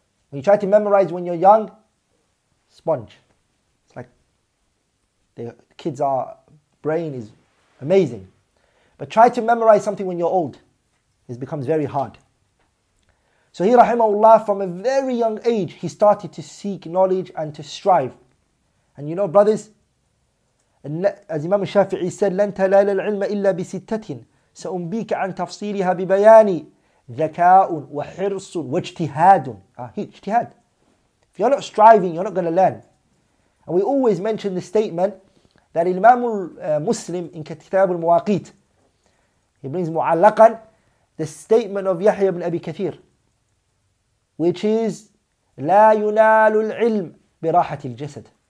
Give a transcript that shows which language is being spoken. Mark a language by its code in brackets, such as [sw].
[en] When you try to memorize when you're young, sponge. It's like the kids' brain is amazing. But try to memorize something when you're old, it becomes very hard. So he, rahimahullah, from a very young age, he started to seek knowledge and to strive. And you know, brothers, as Imam Shafi'i said, [ar] لَنْ تَلَالَ الْعِلْمَ إِلَّا بِسِتَّةٍ سَأُنْبِيكَ عَنْ تَفْصِيلِهَا بِبَيَانِ ذَكَاءٌ وَحِرْصٌ وَاجْتِهَادٌ. [en] Ijtihad. If you're not striving, you're not going to learn. And we always mention the statement that Imam Muslim in Kitab al-Muwaqit, he brings mu'allaqan, the statement of Yahya ibn Abi Kathir, which is [ar] لا ينال العلم براحة الجسد.